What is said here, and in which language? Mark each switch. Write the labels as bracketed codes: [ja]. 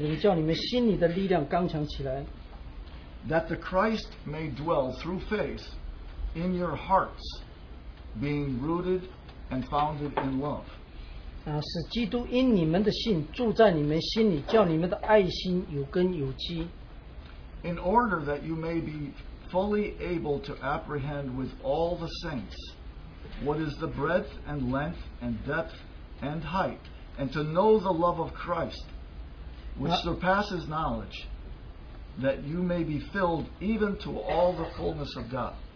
[zh] 求他按着他丰盛的荣耀借着他的灵叫你们心里的力量刚强起来。 [en] That the Christ may dwell through faith in your hearts, being rooted and founded in love. [zh] 使基督因你们的信住在你们心里叫你们的爱心有根有基。 [en] In order that you may be fully able to apprehend with all the saints what is the breadth and length and depth and height, and to know the love of Christ, which surpasses knowledge, that you may be filled even to all the fullness of God.